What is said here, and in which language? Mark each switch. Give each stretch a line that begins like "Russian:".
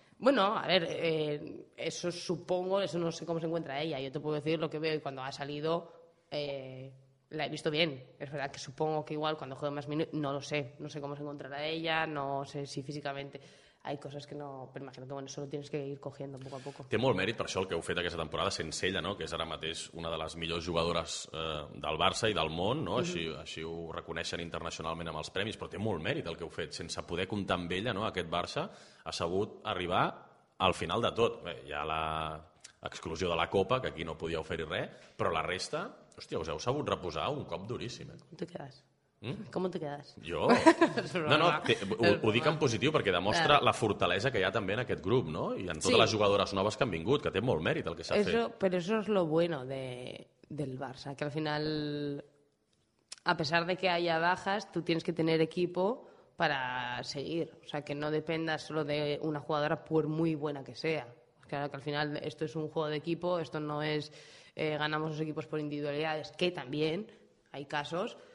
Spanish: Bueno, a ver, eso supongo, eso no sé cómo se encuentra ella. Yo te puedo decir lo que veo y cuando ha salido, la he visto bien. Es verdad que supongo que igual cuando juegue más minutos, no lo sé. No sé cómo se encontrará ella, no sé si físicamente... Hay
Catalan: coses
Spanish: que no,
Catalan: però imagino
Spanish: que bueno, solo tienes que ir cogiendo poco a poco.
Catalan: Té molt mèrit per això el que heu fet aquesta temporada sense ella, no? Que és ara mateix una de les millors jugadores del Barça i del món, no? Així, així ho reconeixen internacionalment amb els premis, però té molt mèrit el que heu fet sense poder comptar amb ella, no? Aquest Barça ha sabut arribar al final de tot. Bé, hi ha la exclusió de la Copa, que aquí no podíeu fer-hi res, però la resta, hòstia, us heu sabut reposar un cop duríssim.
Spanish: On te quedas? ¿Cómo te quedas?
Catalan: Jo? No, no, ho dic en positiu perquè demostra la fortalesa que hi ha també en aquest grup, no? I en totes les jugadores noves que han vingut, que té molt mèrit el que s'ha fet.
Spanish: Pero eso es lo bueno del Barça, que al final, a pesar de que haya bajas, tú tienes que tener equipo para seguir. O sea, que no dependas solo de una jugadora, por muy buena que sea. Claro que al final esto es un juego de equipo, esto no es ganamos los equipos por individualidades, que también hay casos...